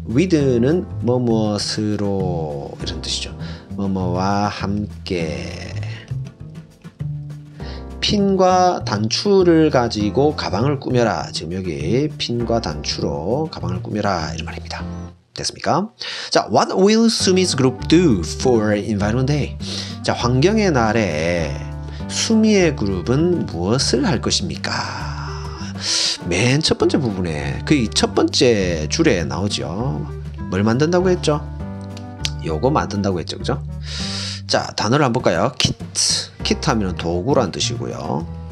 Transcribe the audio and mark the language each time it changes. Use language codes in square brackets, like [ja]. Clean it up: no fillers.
[ko] with는 뭐뭐스로 이런 뜻이죠. 뭐뭐와 함께. 핀과 단추를 가지고 가방을 꾸며라. 지금 여기 핀과 단추로 가방을 꾸며라 이런 말입니다. 됐습니까? [en] 자, what will Sumi's group do for Environment Day? [ko] 자, 환경의 날에 수미의 그룹은 무엇을 할 것입니까? 맨 첫 번째 부분에 그 첫 번째 줄에 나오죠. 뭘 만든다고 했죠? 요거 만든다고 했죠, 그죠? 자, 단어를 한번 볼까요? kit. kit 하면은 도구란 뜻이고요.